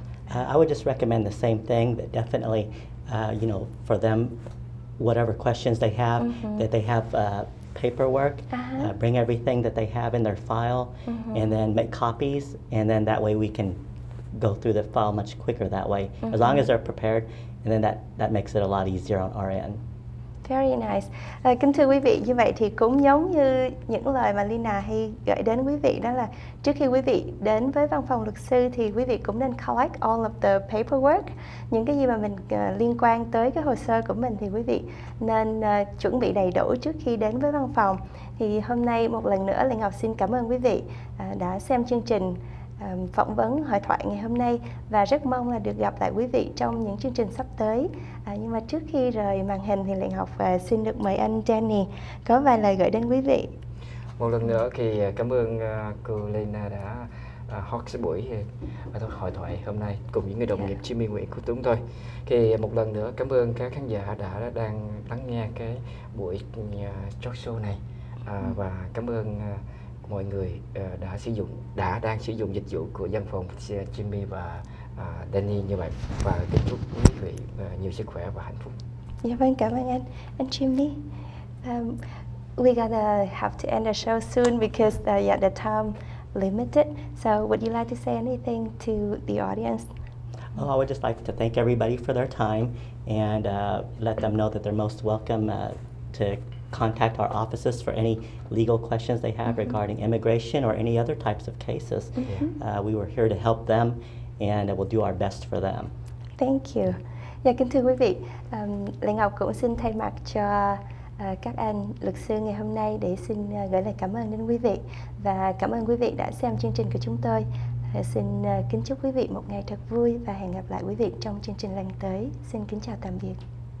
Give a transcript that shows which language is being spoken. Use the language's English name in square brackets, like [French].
[English] I would just recommend the same thing, that definitely, you know, for them, whatever questions they have, that they have paperwork, bring everything that they have in their file, and then make copies, and then that way we can go through the file much quicker that way, as long as they're prepared, and then that makes it a lot easier on our end. Very nice. [Vietnamese] Kính thưa quý vị, như vậy thì cũng giống như những lời mà Lena hay gửi đến quý vị, đó là trước khi quý vị đến với văn phòng luật sư thì quý vị cũng nên [English] collect all of the paperwork. [Vietnamese] Những cái gì mà mình liên quan tới cái hồ sơ của mình thì quý vị nên chuẩn bị đầy đủ trước khi đến với văn phòng. Thì hôm nay một lần nữa Lê Ngọc xin cảm ơn quý vị đã xem chương trình phỏng vấn hội thoại ngày hôm nay, và rất mong là được gặp lại quý vị trong những chương trình sắp tới. Nhưng mà trước khi rời màn hình thì Lệnh Học xin được mời anh Jenny có vài lời gửi đến quý vị. Một lần nữa thì cảm ơn cô Lena đã hot buổi hội thoại hôm nay cùng những người đồng nghiệp Jimmy Nguyễn của chúng tôi. Thì một lần nữa cảm ơn các khán giả đã đang lắng nghe cái buổi talk show này, và cảm ơn mọi người đang sử dụng dịch vụ của văn phòng Jimmy và Danny như vậy, và kính chúc quý vị nhiều sức khỏe và hạnh phúc. Dạ vâng, cảm ơn anh Jimmy. [English] We gonna have to end the show soon because the time limited. So would you like to say anything to the audience? Oh, I would just like to thank everybody for their time and let them know that they're most welcome to contact our offices for any legal questions they have regarding immigration or any other types of cases. We were here to help them, and we'll do our best for them. Thank you. [Vietnamese] Dạ, kính thưa quý vị, Lê Ngọc cũng xin thay mặt cho các anh luật sư ngày hôm nay để xin gửi lời cảm ơn đến quý vị, và cảm ơn quý vị đã xem chương trình của chúng tôi. Xin kính chúc quý vị một ngày thật vui, và hẹn gặp lại quý vị trong chương trình lần tới. Xin kính chào tạm biệt.